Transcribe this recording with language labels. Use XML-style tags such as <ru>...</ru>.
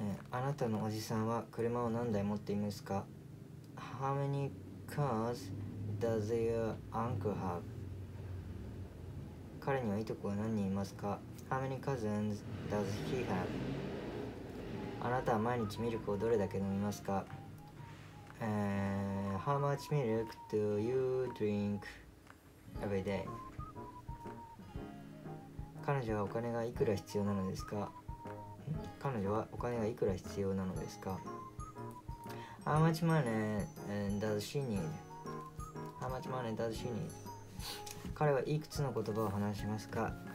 <ja>あなたのおじさんは車を何台持っていますか？</ja> <en>How many cars does your uncle have?</en> <ja>彼にはいとこは何人いますか？</ja> <en>How many cousins does he have?</en> <ja>あなたは毎日ミルクをどれだけ飲みますか？</ja> <en>How much milk do you drink every day?</en> <ja>彼女はお金がいくら必要なのですか？彼女はお金がいくら必要なのですか？</ja> <en>How much money does she need? How much money does she need?</en> <ja>彼はいくつの言葉を話しますか？</ja>